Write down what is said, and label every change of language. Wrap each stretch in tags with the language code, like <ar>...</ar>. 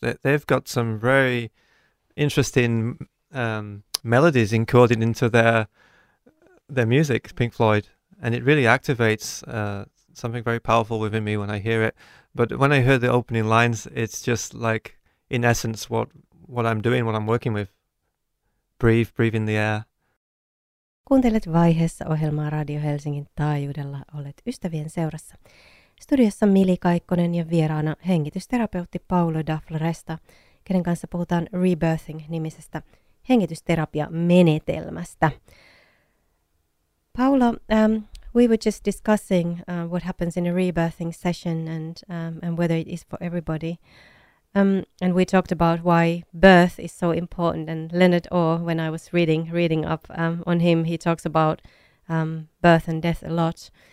<en>They've got some very interesting melodies encoded into their music, Pink Floyd. And it really activates something very powerful within me when I hear it. But when I heard the opening lines, it's just like, in essence, what I'm doing, what I'm working with. Breathe in the air.</en> <fi>Kuuntelet vaiheessa ohjelmaa Radio Helsingin taajuudella. Olet ystävien seurassa. Studiossa Mili Kaikkonen ja vieraana hengitysterapeutti Paolo da Floresta, kenen kanssa puhutaan Rebirthing-nimisestä hengitysterapiamenetelmästä.</fi> <en>Paolo, we were just discussing what happens in a rebirthing session and whether it is for everybody. And we talked about why birth is so important. And Leonard Orr, when I was reading up on him, he talks about birth and death a lot.</en>